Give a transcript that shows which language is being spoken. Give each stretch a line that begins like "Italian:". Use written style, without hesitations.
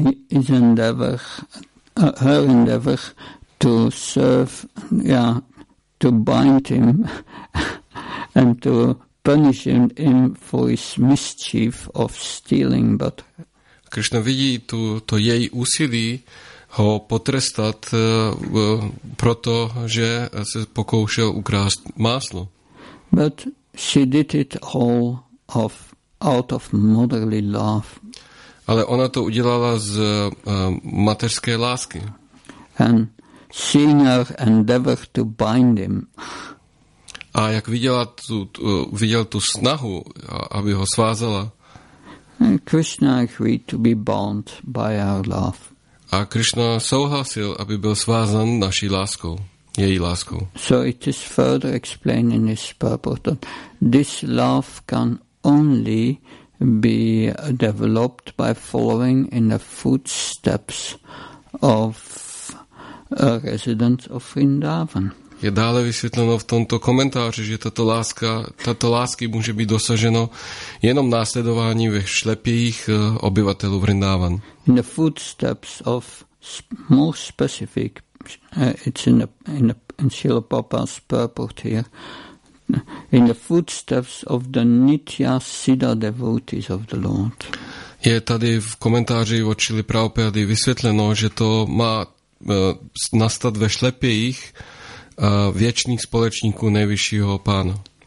English: His endeavor, her endeavor to serve, to bind him and to punish him for his mischief of stealing, but
Czech: Krishna vidí to její úsilí ho potrestat proto, že se pokoušel ukrást máslo.
English: But she did it all out of motherly love.
Czech: Ale ona to udělala z mateřské lásky.
English: And seeing her endeavor to bind him.
Czech: A jak viděla tu snahu, aby ho svázala.
English: Krishna agreed to be bound by our love.
Czech: A Krishna souhlasil, aby byl svázan naší láskou, její láskou.
English: So it is further explained in this purport that this love can only be developed by following in the footsteps of a resident of Vrindavan.
Czech: Je dále vysvětleno v tomto komentáři, že tato lásky může být dosaženo jenom následování ve šlepějích obyvatelů Vrindavan.
English: In the footsteps of more specific, it's in Srila Prabhupada's purport here, in the footsteps of the Nitya Siddha devotees of the Lord.
Czech: Je tady v komentáři od Srila Prabhupady vysvětleno, že to má nastat ve šlepějích věčných společníků nejvyššího pána.